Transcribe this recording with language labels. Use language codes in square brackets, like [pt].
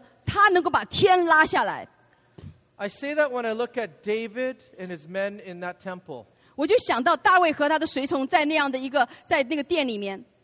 [zh] 饥渴的人呢，他能够把天拉下来。 [en] I say that when I look at David and his men in that temple. [zh] 我就想到大卫和他的随从在那样的一个在那个殿里面。